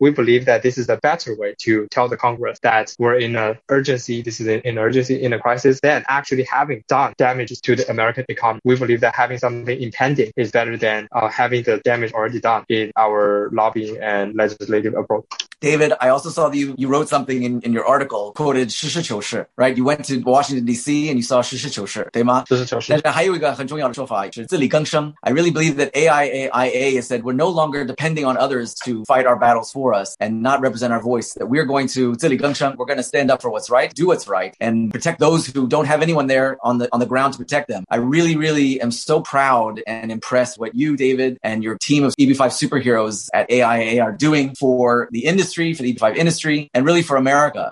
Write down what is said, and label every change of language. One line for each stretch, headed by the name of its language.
English: We believe that this is the better way to tell the Congress that we're in an urgency, this is an urgency in a crisis, than actually having done damages to the American economy. We believe that having something impending is better than having the damage already done in our lobbying and legislative approach. David, I also saw that you wrote something in your article, quoted
Chinese: 实事求是,
English: right? You went to Washington, D.C. and you saw
Chinese: 实事求是, 对吗? 实事求是。但是还有一个很重要的说法是自力更生。
English: I really believe that AIIA has said we're no longer depending on others to fight our battles for us and not represent our voice, that we're going to
Chinese: 自力更生,
English: we're going to stand up for what's right, do what's right, and protect those who don't have anyone there on the ground to protect them. I really, really am so proud and impressed what you, David, and your team of eb5 superheroes at AIIA are doing for the industry, for the eb5 industry, and really for America.